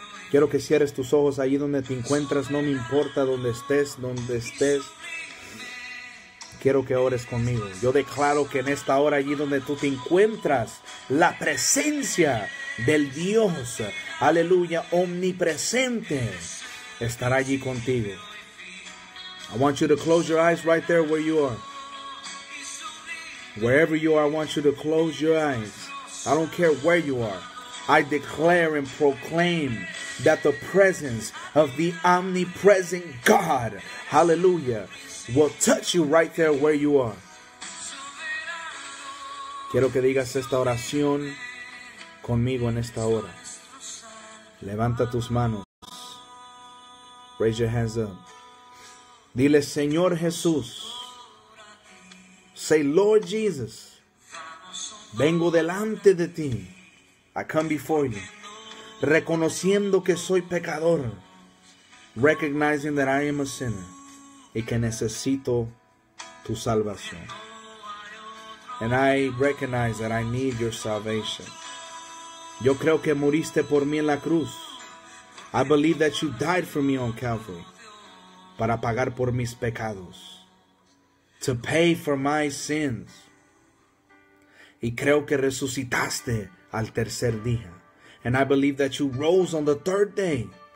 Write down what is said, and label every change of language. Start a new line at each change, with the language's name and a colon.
Spanish: Quiero que cierres tus ojos allí donde te encuentras. No me importa donde estés, donde estés. Quiero que ores conmigo. Yo declaro que en esta hora allí donde tú te encuentras, la presencia del Dios, aleluya, omnipresente, estará allí contigo.
English: I want you to close your eyes right there where you are. Wherever you are, I want you to close your eyes. I don't care where you are. I declare and proclaim that the presence of the omnipresent God, hallelujah, will touch you right there where you are.
Spanish: Quiero que digas esta oración conmigo en esta hora. Levanta tus manos.
English: Raise your hands up.
Spanish: Dile, Señor Jesús.
English: Say, Lord Jesus.
Spanish: Vengo delante de ti.
English: I come before you.
Spanish: Reconociendo que soy pecador.
English: Recognizing that I am a sinner.
Spanish: Y que necesito tu salvación.
English: And I recognize that I need your salvation.
Spanish: Yo creo que muriste por mí en la cruz.
English: I believe that you died for me on Calvary.
Spanish: Para pagar por mis pecados.
English: To pay for my sins.
Spanish: Y creo que resucitaste al tercer día.
English: And I believe that you rose on the third day.